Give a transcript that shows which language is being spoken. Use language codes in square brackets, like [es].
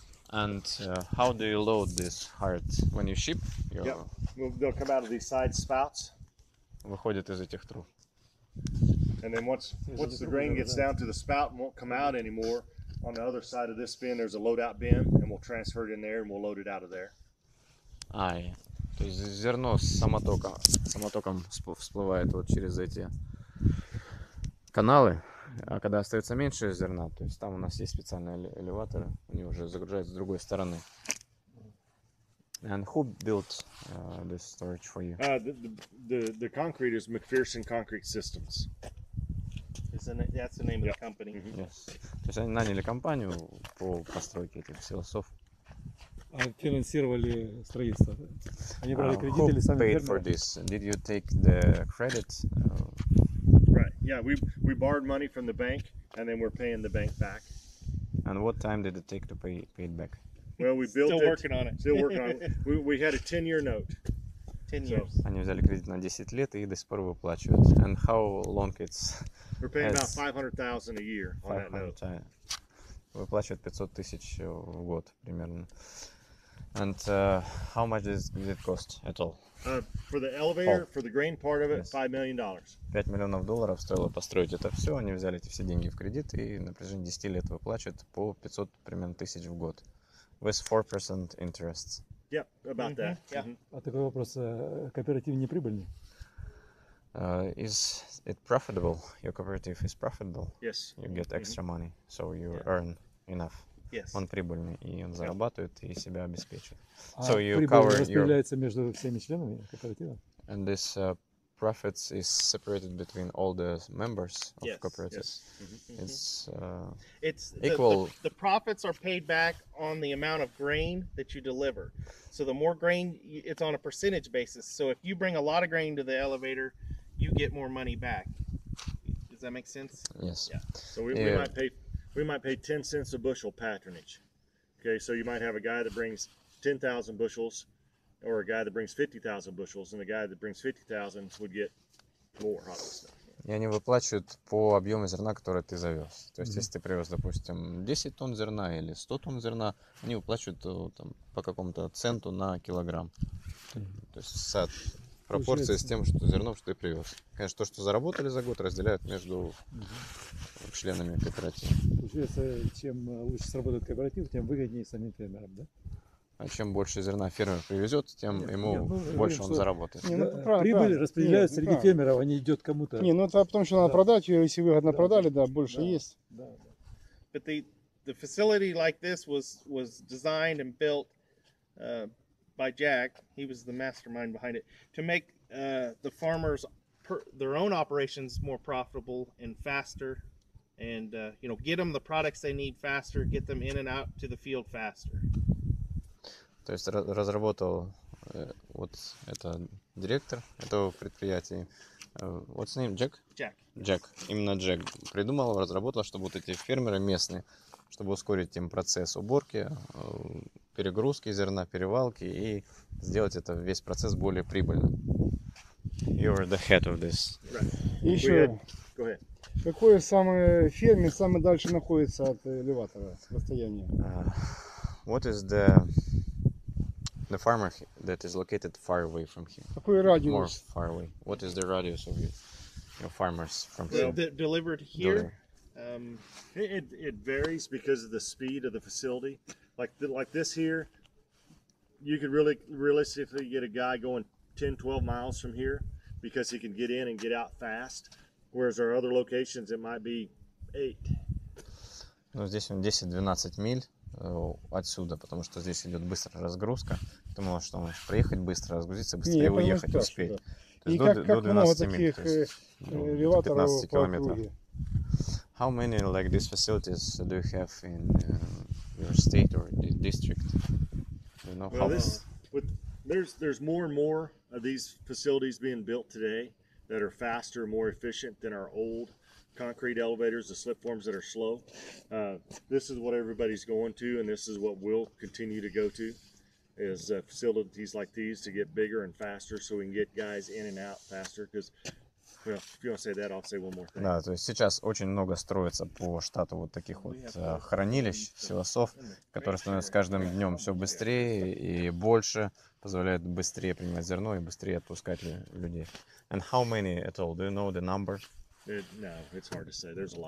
[en] And how do you load this hard when you ship? Your... Yeah, they'll come out of these side spouts. [ru] Выходит из этих труб. [en] And then once the grain gets down to the spout and won't come out anymore, on the other side of this bin, there's a load-out bin, and we'll transfer it in there, and we'll load it out of there. [ru] Ай, то есть зерно с самотоком, всплывает вот через эти каналы, а когда остается меньше зерна, то есть там у нас есть специальные элеваторы, они уже загружаются с другой стороны. [en] And who built this storage for you? The concrete is McPherson Concrete Systems. That's the name of the company. Mm-hmm. Yes. [ru] То есть они наняли компанию по постройке этих силосов. Финансировали строительство. Они брали кредит или сами? [en] Who paid for this? Did you take the credit? Right. Yeah. We borrowed money from the bank, and then we're paying the bank back. And what time did it take to pay it back? Well, we built still working on it. Still working on it. We had a 10-year note. 10 years. [ru] Они взяли кредит на 10 лет и до сих пор выплачивают. [en] And how long it's? We're paying about $500,000 a year on that note. [ru] Выплачивает 500 тысяч в год примерно. [en] And how much did it cost at all? For the elevator, for the grain part of it, $5 million. $5 million [ru] стоило построить это все. Они взяли эти все деньги в кредит и на протяжении 10 лет выплачивают по 500 примерно тысяч в год. [en] With 4% interest. Yep, about mm-hmm. that. Yeah. Mm-hmm. [ru] А такой вопрос, кооператив не прибыльный? [en] Is it profitable? Your cooperative is profitable? Yes. You get extra mm-hmm. money, so you yeah. earn enough. Yes. [ru] Он прибыльный, и он зарабатывает, и себя обеспечивает. [en] So you cover your... [ru] распределяется между всеми членами кооператива? [en] And this profits is separated between all the members of the cooperative. Yes. Mm-hmm. It's equal. The profits are paid back on the amount of grain that you deliver. So the more grain, it's on a percentage basis. So if you bring a lot of grain to the elevator, you get more money back. Does that make sense? Yes. Yeah. So we might pay 10 cents a bushel patronage. Okay, so you might have a guy that brings 10,000 bushels, or a guy that brings 50,000 bushels, and the guy that brings 50,000 would get more harvest. [ru] И они выплачивают по объему зерна, который ты завез. То есть, mm-hmm. если ты привез, допустим, 10 тонн зерна или 100 тонн зерна, они выплачивают там, по какому-то центу на килограмм. Mm-hmm. То есть, сад пропорции с тем, что зерном, что ты привез. Конечно, то, что заработали за год, разделяют между mm-hmm. членами кооператива. Получается, чем лучше сработает кооператив, тем выгоднее самим фермерам, да? А чем больше зерна фермер привезет, тем больше он заработает. Прибыль распределяется среди фермеров, а не идет кому-то. Не, ну это потому, что надо продать ее, если выгодно продали, больше есть. [en] But the facility like this was designed and built by Jack. He was the mastermind behind it to make the farmers their own operations more profitable and faster, and get them the products they need faster, get them in and out to the field faster. [ru] То есть разработал вот это директор этого предприятия. [en] What's name? Jack? Jack. Jack. [ru] Именно Jack придумал, разработал, чтобы вот эти фермеры местные, чтобы ускорить им процесс уборки, перегрузки зерна, перевалки и сделать это весь процесс более прибыльным. [en] You are the head of this. Right. [ru] Еще. [en] Go ahead. [ru] Какой самый фермер самый дальше находится от элеватора с расстояния? [en] What is the the farmer that is located far away from here. [ru] Какой радиус? [en] More far away. What is the radius of your farmers from here? The delivered here. It varies because of the speed of the facility. Like this here, you could really realistically get a guy going 10-12 miles from here because he can get in and get out fast. Whereas our other locations, it might be 8. [ru] Ну здесь он 10-12 миль отсюда, потому что здесь идет быстрая разгрузка. Ты можешь там приехать быстро, разгрузиться, быстрее и уехать, успеть. Да. То есть до 12 миль, то есть 15 километров. [en] How many like these facilities do you have in your state or district? You know, well, there's more and more of these facilities being built today that are faster, more efficient than our old concrete elevators, the slip forms that are slow. This is what everybody's going to, and this is what we'll continue to go to. Is facilities like these to get bigger and faster, so we can get guys in and out faster. Because, well, if you want to say that, I'll say one more thing. [ru] Да, то есть сейчас очень много строится по штату вот таких вот хранилищ силосов, которые становятся с каждым днем все быстрее и больше, позволяют быстрее принимать зерно и быстрее отпускать людей. [en] And how many at all? Do you know the number? It's hard to say. There's a lot.